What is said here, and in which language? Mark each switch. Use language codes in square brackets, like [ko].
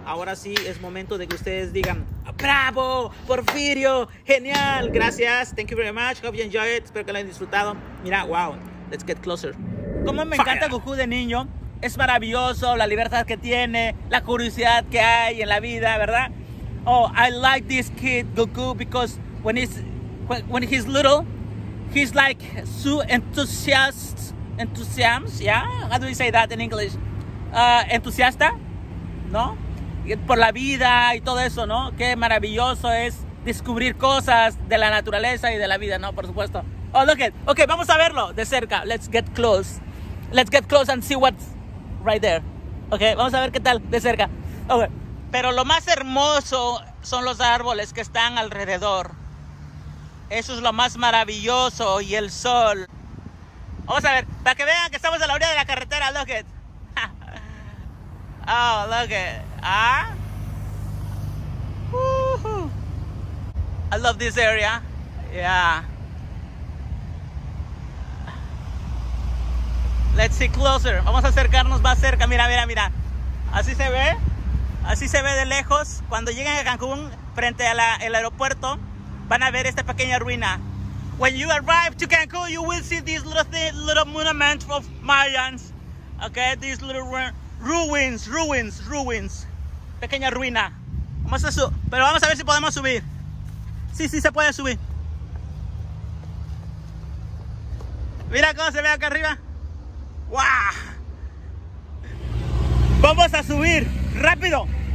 [es] Ahora sí es momento de que ustedes digan ¡Bravo! [en] ¡Porfirio! [es] ¡Genial! Gracias. [en] Thank you very much. Hope you enjoy it. [es] Espero que lo hayan disfrutado. [en] Mira, wow. Let's get closer. [es] Como me encanta Goku de niño. Es maravilloso la libertad que tiene, la curiosidad que hay en la vida, ¿verdad? [en] Oh, I like this kid, Goku, because when he's little, he's like so enthusiast, yeah? How do you say that in English? [es] ¿Entusiasta? ¿No? Por la vida y todo eso, ¿no? Qué maravilloso es descubrir cosas de la naturaleza y de la vida, ¿no? Por supuesto. [en] Oh, look it. [es] Okay, vamos a verlo de cerca. [en] Let's get close. Let's get close and see what's right there. [es] Okay, vamos a ver qué tal de cerca. Okay. Pero lo más hermoso son los árboles que están alrededor. Eso es lo más maravilloso y el sol. Vamos a ver, para que vean que estamos a la orilla de la carretera, [en] look it. Oh, look it. [es] Ah. [en] Woo-hoo. I love this area. Yeah. Let's see closer. [es] Vamos a acercarnos más cerca. Mira, mira, mira. Así se ve. Así se ve de lejos. Cuando lleguen a Cancún, frente al aeropuerto, van a ver esta pequeña ruina. [en] When you arrive to Cancún, you will see this little monument of Mayans. Okay, these little ruins. [es] Pequeña ruina. Vamos a pero vamos a ver si podemos subir. Sí, sí, se puede subir. Mira cómo se ve acá arriba. ¡Wow! Vamos a subir, rápido.